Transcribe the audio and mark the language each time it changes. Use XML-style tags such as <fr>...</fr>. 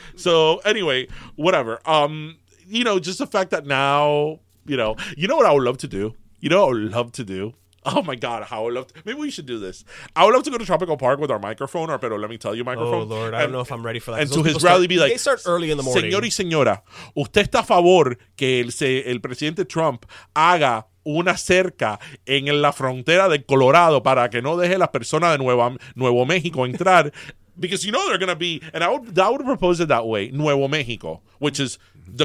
<en>So anyway, whatever. You know, just the fact that now, you know what I would love to do. Oh, my God, how I would love to. Maybe we should do this. I would love to go to Tropical Park with our microphone, or Pero Let Me Tell You microphone. Oh, Lord, I don't know if I'm ready for that. And to his rally be like... They start early in the morning.</en> <es>Señor y señora, ¿usted está a favor que el presidente Trump haga una cerca en la frontera de Colorado para que no deje las personas de Nuevo México entrar?</es> <en>Because you know they're going to be... And I would propose it that way, Nuevo México, which is the</en>